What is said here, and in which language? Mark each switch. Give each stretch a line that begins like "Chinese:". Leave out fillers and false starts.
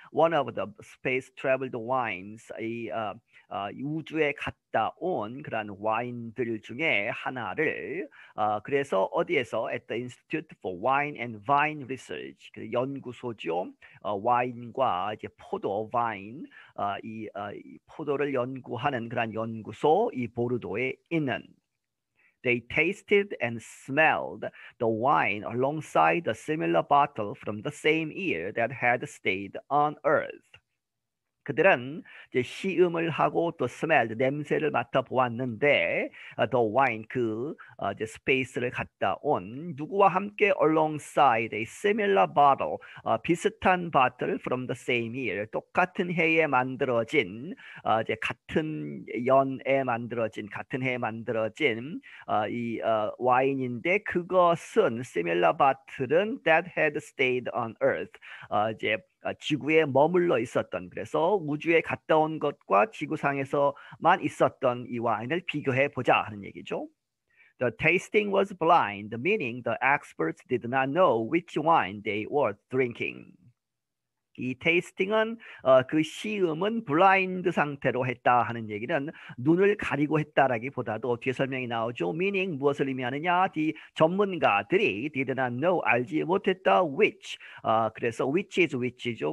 English: One of the space traveled wines,
Korean: 이 우주에 갔다 온 그러한 와인들 중에 하나를 그래서 어디에서?
English: At the Institute for Wine and Vine Research,
Korean: 그 연구소죠. 와인과 이제 포도, vine, 이 포도를 연구하는 그러한 연구소 이 보르도에 있는
English: They tasted and smelled the wine alongside a similar bottle from the same year that had stayed on earth.
Korean: 그들은 이제 시음을 하고 또 smelled 냄새를 맡아 보았는데
English: the wine
Korean: 그 이제 스페이스를 갖다 온 누구와 함께
English: alongside a similar bottle
Korean: 비슷한 bottle
English: from the same year
Korean: 똑같은 해에 만들어진 이제 같은 연에 만들어진 같은 해에 만들어진 이 와인인데 그것은
English: similar bottle
Korean: 은
English: that had stayed on earth
Korean: 이제 지구에 머물러 있었던 그래서 우주에 갔다 온 것과 지구상에서만 있었던 이 와인을 비교해 보자 하는 얘기죠.
English: The tasting was blind, meaning the experts did not know which wine they were drinking.
Korean: 이 tasting은 그 시음은 블라인드 상태로 했다 하는 얘기는 눈을 가리고 했다라기보다도 뒤에 설명이 나오죠. meaning 무엇을 의미하느냐? 이 전문가들이
English: did not know
Korean: 알지 못했다 which 그래서
English: which is which
Korean: 죠.